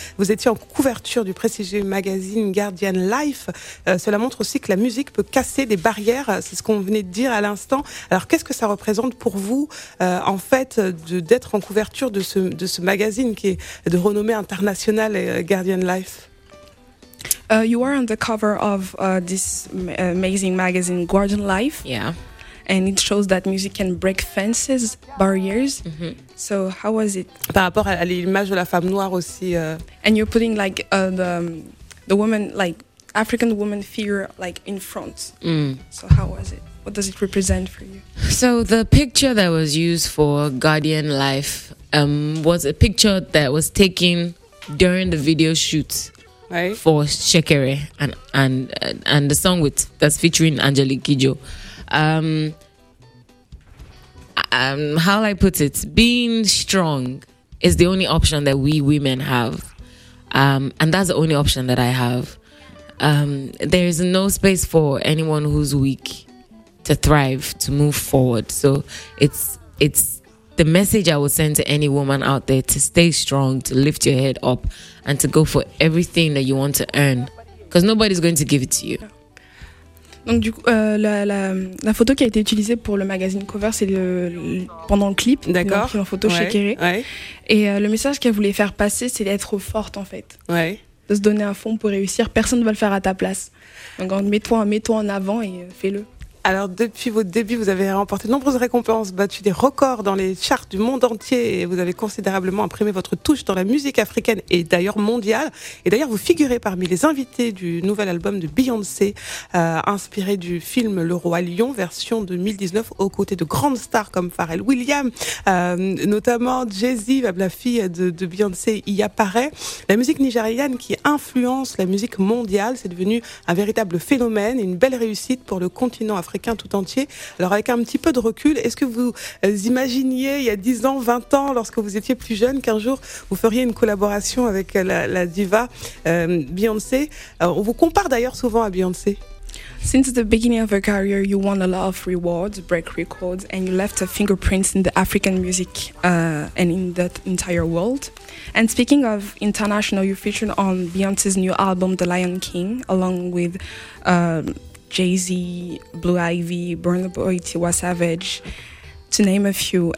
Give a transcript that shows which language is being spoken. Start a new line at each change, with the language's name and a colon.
French: Vous étiez en couverture du prestigieux magazine Guardian Life. Cela montre aussi que la musique peut casser des barrières, c'est ce qu'on venait de dire à l'instant. Alors qu'est-ce que ça représente pour vous en fait d'être en couverture de ce magazine qui est de renommée internationale, Guardian Life?
English: You are on the cover of this amazing magazine, Guardian Life. Yeah. And it shows that music can break fences, barriers. Mm-hmm. So how was it?
French: Par rapport à l'image de la femme noire aussi.
English: And you're putting like the woman, like African woman figure, like in front. Mm. So how was it? What does it represent for you? So the picture that was used for Guardian Life was a picture that was taken during the video shoot. Right. For Shekere and the song that's featuring Angélique Kidjo. How I put it, being strong is the only option that we women have. And that's the only option that I have. There is no space for anyone who's weak to thrive, to move forward. So it's the message I would send to any woman out there: to stay strong, to lift your head up, and to go for everything that you want to earn, because nobody's going to give it to you.
French: Donc du coup, la photo qui a été utilisée pour le
English: magazine cover,
French: c'est pendant le clip. D'accord. Pris en photo chez Kéré. Et le message qu'elle voulait faire passer, c'est d'être forte en fait. Ouais. De se donner à fond pour réussir. Personne ne va le faire à ta place. Donc mets-toi en avant et fais-le. Alors, depuis vos débuts, vous avez remporté de nombreuses récompenses, battu des records dans les charts du monde entier, et vous avez considérablement imprimé votre touche dans la musique africaine et d'ailleurs mondiale. Et d'ailleurs, vous figurez parmi les invités du nouvel album de Beyoncé, inspiré du film Le Roi Lion, version 2019, aux côtés de grandes stars comme Pharrell Williams, notamment Jay-Z, la fille de Beyoncé y apparaît. La musique nigériane qui influence la musique mondiale, c'est devenu un véritable phénomène et une belle réussite pour le continent africain tout entier. Alors avec un petit peu de recul, est-ce que vous imaginiez il y a 10 ans, 20 ans, lorsque vous étiez plus jeune, qu'un jour vous feriez une collaboration avec la diva Beyoncé? On vous compare d'ailleurs souvent à Beyoncé.
English: Since the beginning of your career, you won a lot of rewards, break records, and you left a fingerprint in the African music and in that entire world. And speaking of international, you featured on Beyoncé's new album The Lion King, along with Jay-Z, Blue Ivy, Burna Boy, Tiwa Savage, to name a few.